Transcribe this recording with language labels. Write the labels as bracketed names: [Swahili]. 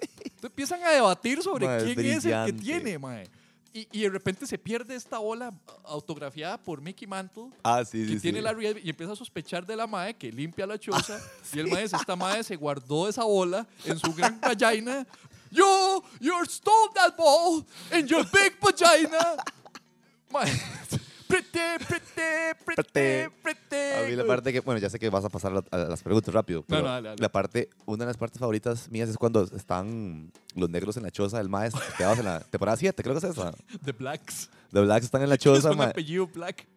[Spanish] Entonces empiezan a debatir sobre madre, quién es el que tiene, madre. Y de repente se pierde esta bola autografiada por Mickey Mantle. Ah, sí, sí. Que sí, tiene sí. Larry y empieza a sospechar de la mae que limpia la choza. Ah, y el mae dice, esta mae se guardó esa bola en su gran vagina. [English] You stole that ball in your big vagina. [Spanish] Mae. Pretty. A mí la parte que, bueno, ya sé que vas a pasar a las preguntas rápido. Pero no, dale. La parte, una de las partes favoritas mías es cuando están los negros en la choza del maestro. Te vas en la temporada 7, creo que es esa. [English] The Blacks [Spanish] están en la choza, mae. Es un apellido Black.